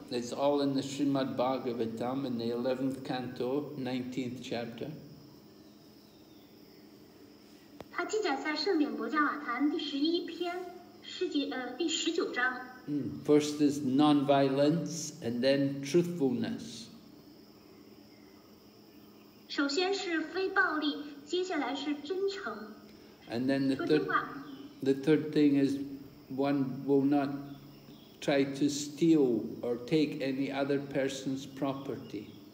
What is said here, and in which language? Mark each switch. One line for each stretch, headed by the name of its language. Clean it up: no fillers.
English: It's all in the Srimad Bhagavatam in the 11th canto, 19th chapter.
Chinese: 它记载在圣典薄伽瓦坛第十一篇，第十九章。
English: First is non-violence and then truthfulness.
Chinese: 首先是非暴力，接下来是真诚。
English: And then the third thing is one will not try to steal or take any other person's property.